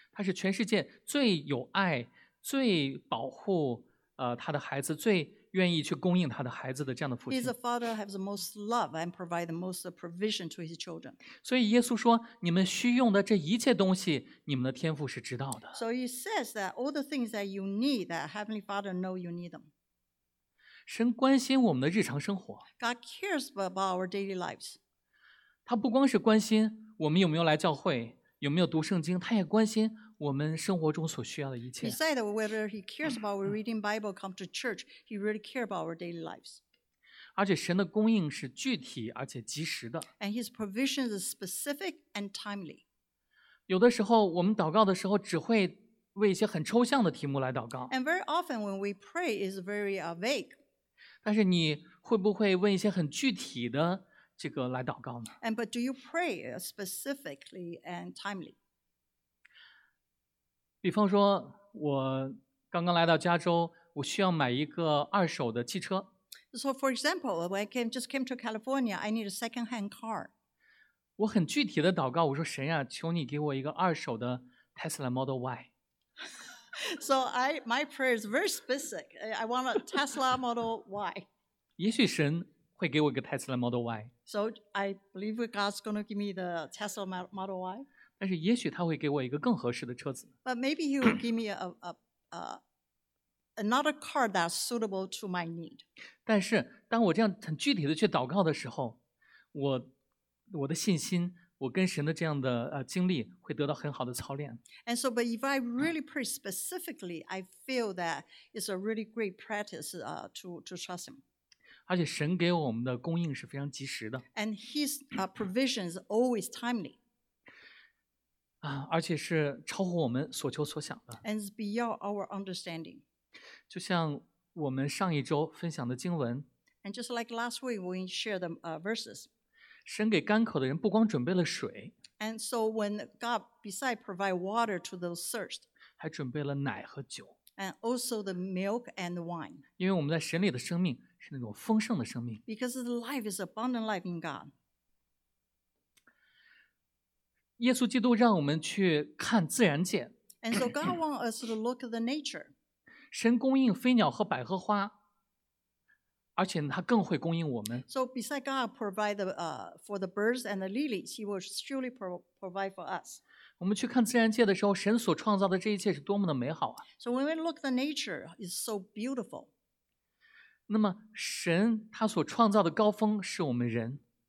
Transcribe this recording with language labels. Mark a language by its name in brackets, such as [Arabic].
[Chinese] 他是全世界最有爱、最保护他的孩子、最愿意去供应他的孩子的这样的父亲。 [English] He's a father who has the most love and provides the most provision to his children. [Chinese] 所以耶稣说，你们需用的这一切东西，你们的天父是知道的。 [English] So he says that all the things that you need, that heavenly father know you need them. [Chinese] 神关心我们的日常生活。 [English] God cares about our daily lives. [Chinese] 他不光是关心我们有没有来教会，有没有读圣经，他也关心我们生活中所需要的一切。 [English] He said whether he cares about reading Bible, come to church, he really cares about our daily lives. [Chinese] 而且神的供应是具体而且及时的。 [English] And his provision is specific and timely. [Chinese] 有的时候我们祷告的时候只会为一些很抽象的题目来祷告。 [English] And very often when we pray is very vague. [Chinese] 但是你会不会问一些很具体的这个来祷告呢？ [English] And but do you pray specifically and timely? [Chinese] 比方说，我刚刚来到加州，我需要买一个二手的汽车。 [English] So for example, when I came, just came to California, I need a second-hand car. [Chinese] 我很具体的祷告，我说神呀，求你给我一个二手的 Tesla Model Y. [English] So my prayer is very specific. I want a Tesla Model Y. [Chinese] 也许神会给我一个 Tesla Model Y. [English] So I believe God's going to give me the Tesla Model Y. [Chinese] 但是也许他会给我一个更合适的车子。 [English] But maybe he will give me another car that's suitable to my need. [Chinese] 但是当我这样很具体的去祷告的时候，我的信心，我跟神的这样的经历会得到很好的操练。 [English] And so, but if I really pray specifically, I feel that it's a really great practice to trust him. [Chinese] 而且神给我们的供应是非常及时的。 [English] And his provision is always timely. [Chinese] 而且是超乎我们所求所想的。 [English] And it's beyond our understanding. [Chinese] 就像我们上一周分享的经文。 [English] And just like last week, we shared the verses. [Chinese] 神给干渴的人不光准备了水。 [English] And so when God beside provide water to those thirst, [Chinese] 还准备了奶和酒。 [English] And also the milk and the wine. [Chinese] 因为我们在神里的生命是那种丰盛的生命。 [English] Because the life is abundant life in God. [Chinese] 耶稣基督让我们去看自然界。 [English] And so God wants us to look at the nature. [Chinese] 神供应飞鸟和百合花，而且他更会供应我们。 [English] So beside God provide for the birds and the lilies, He will surely provide for us. [Chinese] 我们去看自然界的时候，神所创造的这一切是多么的美好啊！ [English] So when we look at the nature, it's so beautiful. [Chinese] 那么神他所创造的高峰是我们人。